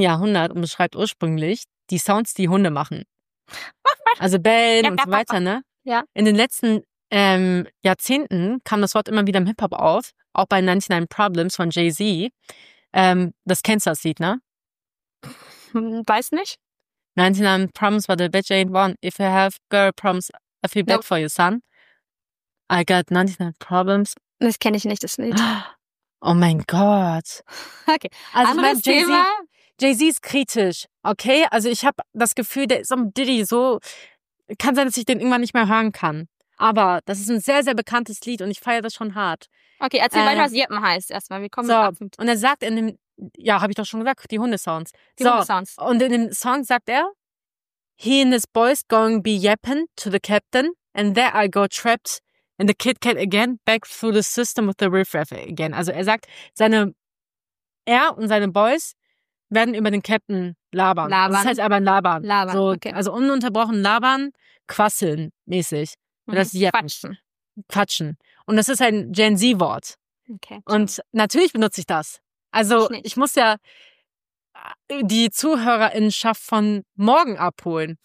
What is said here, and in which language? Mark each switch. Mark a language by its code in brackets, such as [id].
[de] Jahrhundert und beschreibt ursprünglich die Sounds, die Hunde machen. Also bellen und so weiter, ne? Ja. In den letzten Jahrzehnten kam das Wort immer wieder im Hip-Hop auf, auch bei 99 Problems von Jay-Z. Das kennst du, das Lied, ne? Weiß nicht. [en] 99 problems, but the bitch ain't one. If you have girl problems, I feel bad for you, son. I got 99 problems. [de] Das kenne ich nicht, das Lied. Oh mein Gott. Okay. Also anderes Thema. Jay-Z ist kritisch, okay? Also ich habe das Gefühl, der ist so ein Diddy, so kann sein, dass ich den irgendwann nicht mehr hören kann. Aber das ist ein sehr, sehr bekanntes Lied und ich feiere das schon hart. Okay, erzähl weiter, was Jeppen heißt erstmal. Wir kommen zum Abend. Und er sagt in dem, ja, habe ich doch schon gesagt, die Hundesounds. Die Hundesounds. Und in dem Song sagt er, [en] he and his boys going be yapping to the captain and there I go trapped in the Kit Kat again, back through the system with the riffraff again. [de] Also er sagt, er und seine Boys werden über den Captain labern. Labern. Das heißt aber labern. Labern, so, okay. Also ununterbrochen labern, quasseln mäßig. Und das yappen. Quatschen. Und das ist ein Gen-Z-Wort. Okay. Und natürlich benutze ich das. Also ich muss ja die Zuhörerinnenschaft von morgen abholen.